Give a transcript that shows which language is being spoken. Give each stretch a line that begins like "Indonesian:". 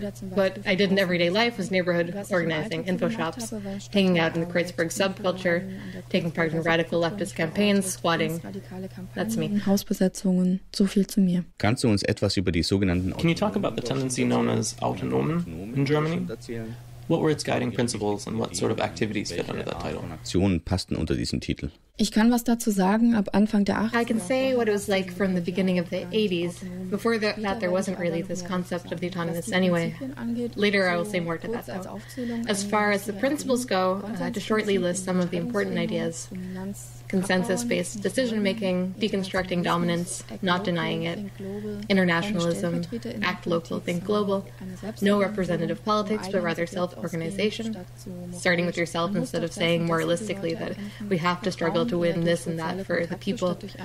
English: What I did in everyday life was neighborhood organizing, info shops, hanging out in the Kreuzberg subculture, taking part in radical leftist campaigns, squatting. That's me.
German: Hausbesetzungen, so viel zu mir. Kannst du uns etwas über die sogenannten...
English: Can you talk about the tendency known as Autonomen in Germany? What were its guiding principles and what sort of activities fit under that title?
German: Aktionen passten unter diesen Titel. Ich kann was dazu sagen, ab Anfang der 80er.
English: I can say what it was like from the beginning of the 80s. Before that, there wasn't really this concept of the autonomous anyway. Later, I will say more to that, though. As far as the principles go, to shortly list some of the important ideas: consensus-based decision-making, deconstructing dominance, not denying it, internationalism, act local, think global, no representative politics, but rather self-organization, starting with yourself instead of saying moralistically that we have to struggle to win this and that for the people,